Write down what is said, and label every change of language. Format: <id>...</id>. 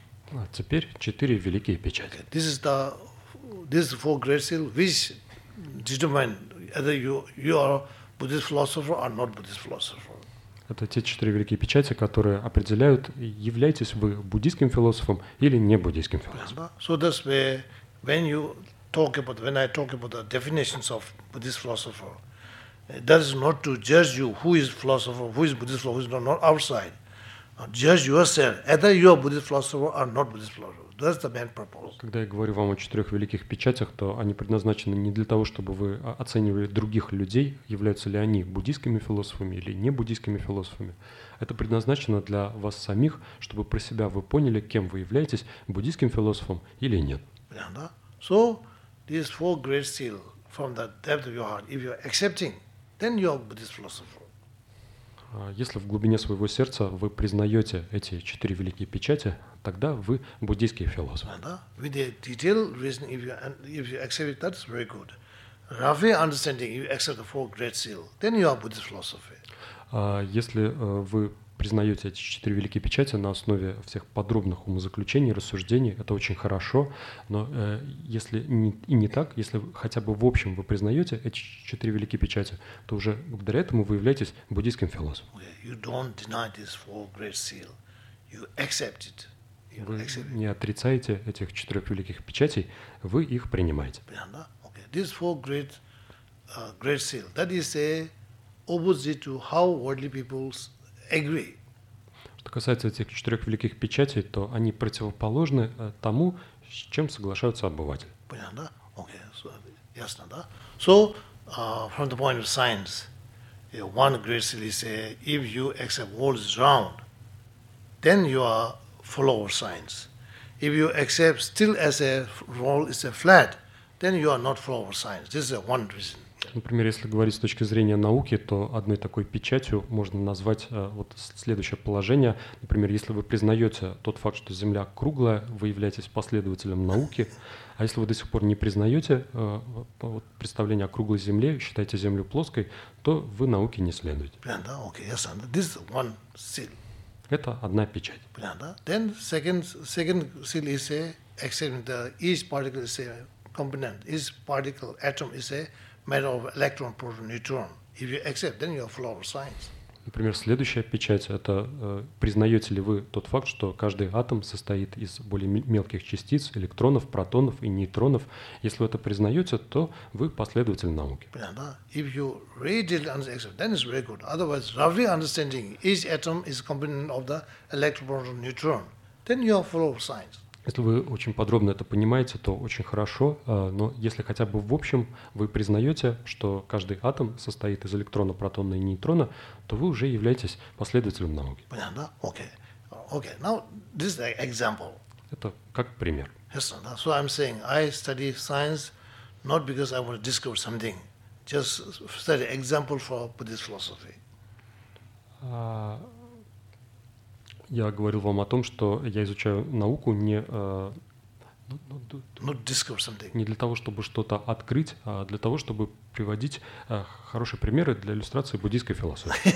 <ru>А теперь четыре великие печати.</ru> <en>Okay. This is four great seal, which determine whether you are Buddhist philosopher or not Buddhist philosopher.</en> <ru>Это те четыре великие печати, которые определяют, являетесь вы буддийским философом или небуддийским философом. Понятно?</ru> <en>So that's where when you talk about when I talk about the definitions of Buddhist philosopher, that is not to judge you who is philosopher, who is Buddhist philosopher, who is not outside. Judge yourself either you are Buddhist philosopher or not Buddhist philosopher. That's the main purpose.</en> <ru>Когда я говорю вам о четырех великих печатях, то они предназначены не для того, чтобы вы оценивали других людей, являются ли они буддийскими философами или не буддийскими философами. Это предназначено для вас самих, чтобы про себя вы поняли, кем вы являетесь, буддийским философом или нет. Понятно?</ru> <en>So these four great seal from the depth of your heart, if you're accepting, then you are Buddhist philosopher.</en> <ru>Если в глубине своего сердца вы признаете эти четыре великие печати, тогда вы буддийский философ. Да,</ru> <en>with the detailed reason, if you accept it, that's very good. Roughly understanding, you accept the four great seal, then you are Buddhist philosophy.</en> <ru>Если вы признаете эти четыре великие печати на основе всех подробных умозаключений, рассуждений, это очень хорошо, но если не так, если хотя бы в общем вы признаете эти четыре великие печати, то уже благодаря этому вы являетесь буддийским философом.</ru> <en>Okay. You don't deny this four great seal. You accept it.</en> <ru>Вы не отрицаете этих четырех великих печатей, вы их принимаете.</ru> <en>Okay. This four great seal, that is a opposite to how worldly people agree.</en> <ru>Что касается этих четырех великих печатей, то они противоположны тому, с чем соглашаются обыватели. Понятно?</ru> <en>Okay. So,</en> <ru>ясно, да?</ru> <en>So, from the point of science, one great seal is if you accept world is round, then you are follower science. If you accept still as a world is a flat, then you are not follower science. This is one reason.</en> <ru>Например, если говорить с точки зрения науки, то одной такой печатью можно назвать вот следующее положение. Например, если вы признаете тот факт, что Земля круглая, вы являетесь последователем науки. А если вы до сих пор не признаете вот представление о круглой Земле, считаете Землю плоской, то вы науке не следуете.</ru> <en>Yeah, okay. Yes, this is one seal.</en> <ru>Это одна печать. Понятно.</ru> <en>Then second seal is a accepting that each particle is a component. Each particle atom is a matter of electron, proton, neutron. If you accept, then you are flower science.</en> <ru>Например, следующая печать — это признаете ли вы тот факт, что каждый атом состоит из более мелких частиц, электронов, протонов и нейтронов. Если вы это признаете, то вы последователь науки. Понятно.</ru> <en>If you really understand, then it's very good. Otherwise, roughly understanding each atom is a component of the electron, proton, neutron, then you are flower science.</en> <ru>Если вы очень подробно это понимаете, то очень хорошо, но если хотя бы в общем вы признаете, что каждый атом состоит из электрона, протона и нейтрона, то вы уже являетесь последователем науки. Понятно?</ru> <en>Okay. Okay. Now, this is an example.</en> <ru>Это как пример.</ru> <en>Yes, so I'm saying I study science not because I want to discover something, just study example for Buddhist philosophy.</en> <ru>Я говорил вам о том, что я изучаю науку не для того, чтобы что-то открыть, а для того, чтобы приводить хорошие примеры для иллюстрации буддийской философии.</ru>